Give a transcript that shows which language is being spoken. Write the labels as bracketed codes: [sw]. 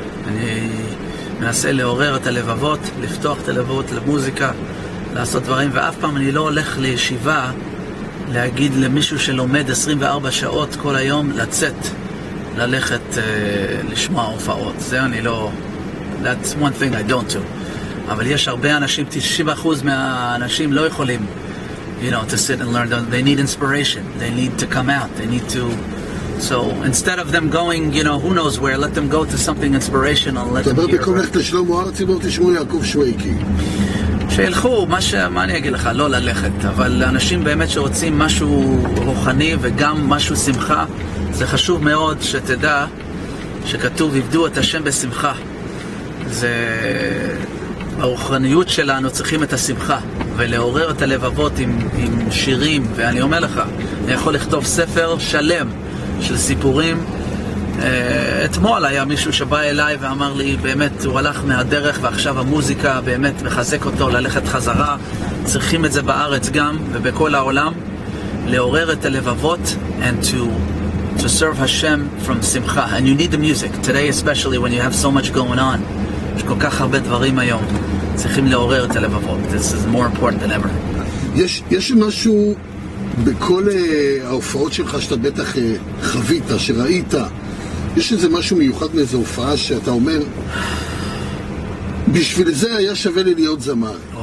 [he] אני מנסה לעורר את הלבבות, לפתוח את הלבבות למוזיקה, לעשות דברים, ואף פעם אני לא הולך לישיבה להגיד למישהו שלומד 24 שעות כל היום לצאת, ללכת לשמוע הופעות. זה אני לא... [en] That's one thing I don't do. [he] אבל יש הרבה אנשים, 90% מהאנשים לא יכולים, [en] you know, to sit and learn. They need inspiration. They need to come out. They need to... So instead of them going, you know, who knows where, let them go to something inspirational. Let them hear. [he] תדבר בקולך לשלום הארץ, בואו תשמעו יעקב שוויקי. שילכו, מה אני אגיד לך, לא ללכת. אבל אנשים באמת שרוצים משהו רוחני וגם משהו שמחה, זה חשוב מאוד שתדע שכתוב, עבדו את השם בשמחה. זה... הרוחניות שלנו צריכים את השמחה ולעורר את הלבבות עם שירים, ואני אומר לך, אני יכול לכתוב ספר שלם של סיפורים. אתמול היה מישהו שבא אליי ואמר לי, באמת הוא הלך מהדרך ועכשיו המוזיקה באמת מחזק אותו ללכת חזרה. צריכים את זה בארץ גם ובכל העולם, לעורר את הלבבות [en] and to serve Hashem from [he] שמחה. [en] And you need the music today, especially when you have so much going on. [he] יש כל כך הרבה דברים היום, צריכים לעורר את הלבבות. [en] This is more important than ever. [he] יש משהו בכל ההופעות שלך שאתה בטח חווית, שראית, יש איזה משהו מיוחד מאיזו הופעה שאתה אומר, בשביל זה היה שווה לי להיות זמר?